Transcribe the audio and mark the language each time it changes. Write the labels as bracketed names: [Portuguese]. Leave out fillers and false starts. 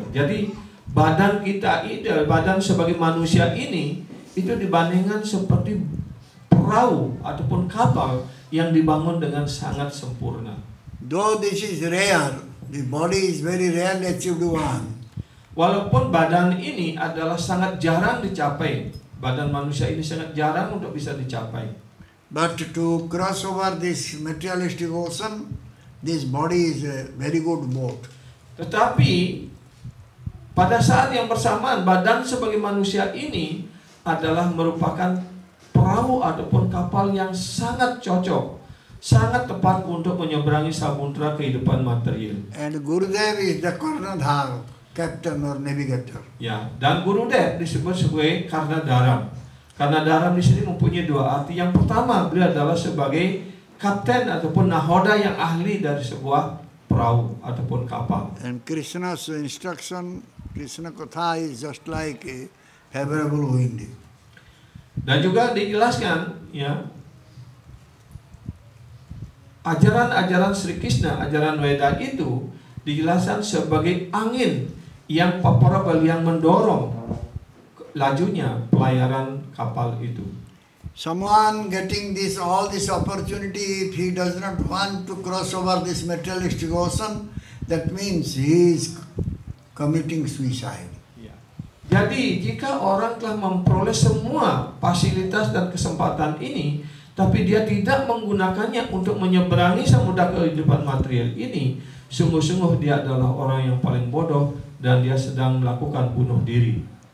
[Indonesian] Jadi badan kita ini, badan sebagai manusia ini, itu dibandingkan seperti perahu ataupun kapal yang dibangun dengan sangat sempurna. [English] Though this is rare, the body is very rarely achieved one. [Indonesian] Walaupun badan ini adalah sangat jarang dicapai, badan manusia ini sangat jarang untuk bisa dicapai. [English] But to cross over this materialistic ocean, this body is a very good boat. [Indonesian] Tetapi pada saat yang bersamaan, badan sebagai manusia ini adalah merupakan perahu ataupun kapal yang sangat cocok, sangat tepat untuk menyeberangi samudra kehidupan material. [English] And Gurudev is the karnadhar, captain or navigator. [Indonesian] Ya, dan Gurudev disebut sebagai karnadharam. Karnadharam di sini mempunyai dua arti. Yang pertama, beliau adalah sebagai kapten ataupun nahoda yang ahli dari sebuah perahu ataupun kapal. [English] And Krishna's instruction, Krishna katha is just like a favorable wind. [Indonesian] Dan juga dijelaskan, ya, ajaran-ajaran Sri Krishna, ajaran Weda itu dijelaskan sebagai angin yang favorable, yang mendorong lajunya pelayaran kapal itu. [English] Someone getting this all this opportunity, if he does not want to cross over this materialistic ocean, that means he is committing suicide. [Indonesian] Jadi jika orang telah memperoleh semua fasilitas dan kesempatan ini, tapi dia tidak menggunakannya untuk menyeberangi samudra kehidupan material ini, sungguh-sungguh dia adalah orang yang paling bodoh dan dia sedang melakukan bunuh diri.